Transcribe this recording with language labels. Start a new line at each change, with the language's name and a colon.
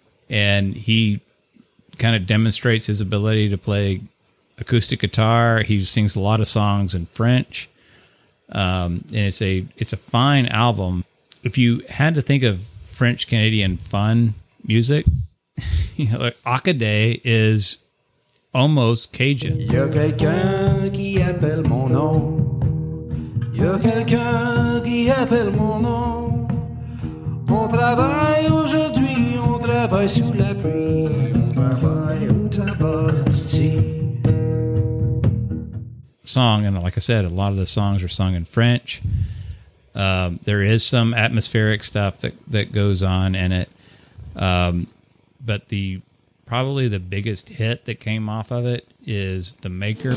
English: And he kind of demonstrates his ability to play acoustic guitar. He sings a lot of songs in French. And it's a fine album. If you had to think of French Canadian fun music, you know, like Akade is almost Cajun.
French: Y'a quelqu'un qui appelle mon nom. Y'a quelqu'un qui appelle mon nom. On travaille aujourd'hui, on travaille sous la pluie. On travaille au tabasti.
English: Song, and like I said, a lot of the songs are sung in French. There is some atmospheric stuff that goes on in it, but probably the biggest hit that came off of it is The Maker.